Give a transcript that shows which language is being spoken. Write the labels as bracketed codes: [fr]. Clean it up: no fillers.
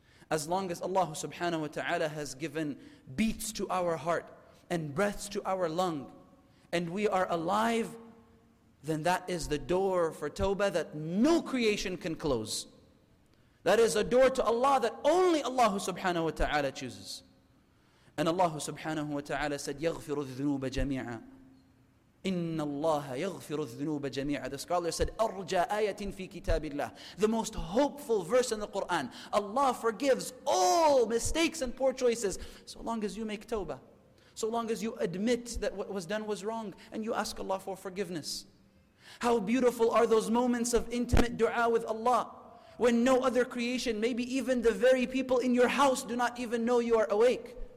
[en] as long as Allah subhanahu wa ta'ala has given beats to our heart and breaths to our lung, and we are alive, then that is the door for tawbah that no creation can close. That is a door to Allah that only Allah subhanahu wa ta'ala chooses. And Allah subhanahu wa ta'ala said, [ar] يَغْفِرُ الذُّنُوبَ جَمِيعًا إِنَّ اللَّهَ يَغْفِرُ الذُّنُوبَ جَمِيعًا. [en] The scholar said, [ar] أَرْجَى آيَةٍ فِي كِتَابِ اللَّهِ. [en] The most hopeful verse in the Qur'an. Allah forgives all mistakes and poor choices so long as you make tawbah. So long as you admit that what was done was wrong and you ask Allah for forgiveness. How beautiful are those moments of intimate dua with Allah when no other creation, maybe even the very people in your house, do not even know you are awake.